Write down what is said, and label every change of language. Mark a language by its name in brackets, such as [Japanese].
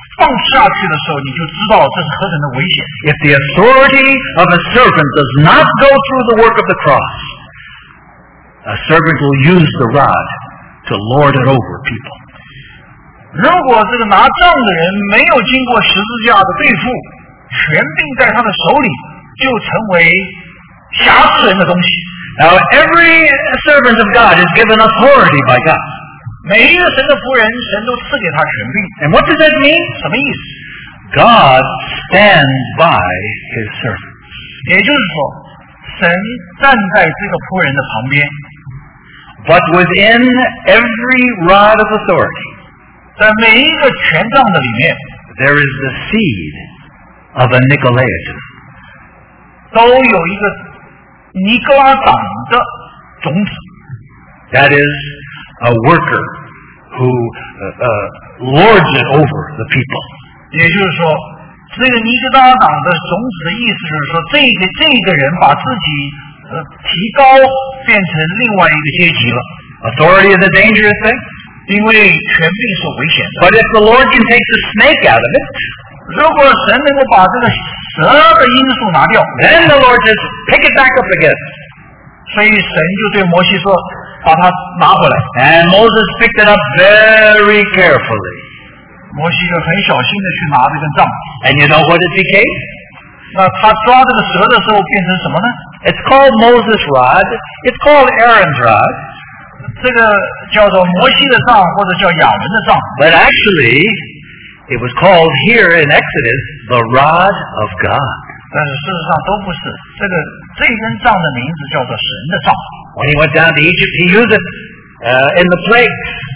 [Chinese] 当你一放下去的时候，你就知道这是何等的危险。 [English] If the authority of a servant does not go through the work of the cross, a servant will use the rod to lord it over people. [Chinese] 如果这个拿杖的人没有经过十字架的对付，权柄在他的手里就成为辖制人的东西。 [English] Now every servant of God is given authority by God. [Chinese] 每一个神的仆人，神都赐给他权柄。 [English] And what does that mean? [Chinese] 什么意思? [English] God stands by his servants. [Chinese] 也就是说，神站在这个仆人的旁边。 [English] But within every rod of authority, [Chinese] 在每一个权杖的里面, [English] there is the seed of a Nicolaitan. [Chinese] 都有一个 尼格拉党的种子, [English] that is a worker who lords it over the people. [Chinese] 也就是说，这个尼格拉党的种子的意思就是说，这个人把自己提高变成另外一个阶级了。 [English] Authority is a dangerous thing, [Chinese] 因为权柄是危险的。 [English] But if the Lord can take the snake out of it, [Chinese] 如果神能够把这个蛇的因素拿掉, [English] then the Lord says, pick it back up again. [Chinese] 所以神就对摩西说, 把它拿回来。 [English] And Moses picked it up very carefully. [Chinese] 摩西就很小心地去拿这根杖。 [English] And you know what it became? [Chinese] 那他抓这个蛇的时候变成什么呢? [English] It's called Moses' rod. It's called Aaron's rod. [Chinese] 这个叫做摩西的杖或者叫亚伦的杖。 [English] But actually, it was called here in Exodus, the rod of God. [Chinese] 但是事实上都不是，这个这根杖的名字叫做神的杖。 [English] When he went down to Egypt, he used it in the plagues.